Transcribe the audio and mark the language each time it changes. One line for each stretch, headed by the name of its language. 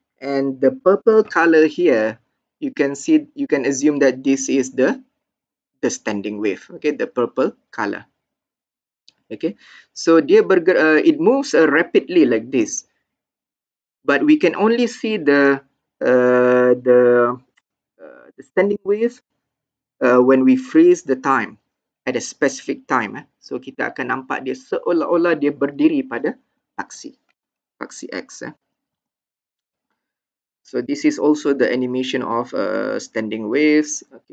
English: And the purple color here, you can see, you can assume that this is the standing wave, okay, the purple color, okay. So dia it moves rapidly like this, but we can only see the standing wave when we freeze the time at a specific time.
Malay: So kita akan nampak dia seolah-olah dia berdiri pada aksi X.
English: So this is also the animation of standing waves.